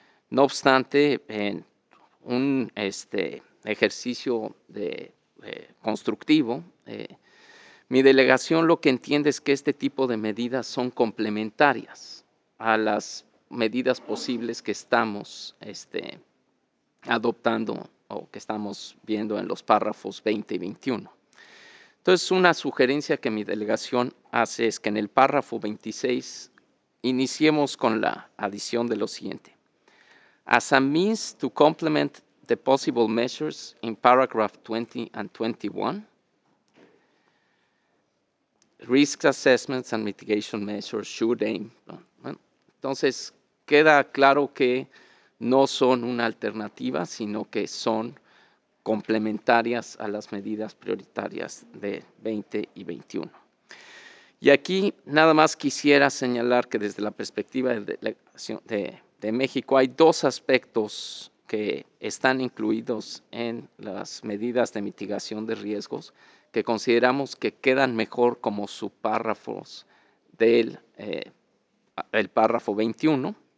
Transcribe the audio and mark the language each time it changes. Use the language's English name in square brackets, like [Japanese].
[Spanish] No obstante, en un ejercicio constructivo, mi delegación lo que entiende es que este tipo de medidas son complementarias a las medidas posibles que estamos adoptando o que estamos viendo en los párrafos 20 y 21. Entonces, una sugerencia que mi delegación hace es que en el párrafo 26 iniciemos con la adición de lo siguiente. [English] As a means to complement the possible measures in paragraph 20 and 21, risk assessments and mitigation measures should aim. [Spanish] Entonces, queda claro que no son una alternativa, sino que son complementarias a las medidas prioritarias de 20 y 21. Y aquí nada más quisiera señalar que desde la perspectiva de México hay dos aspectos que están incluidos en las medidas de mitigación de riesgos que consideramos que quedan mejor como subpárrafos del el párrafo 21.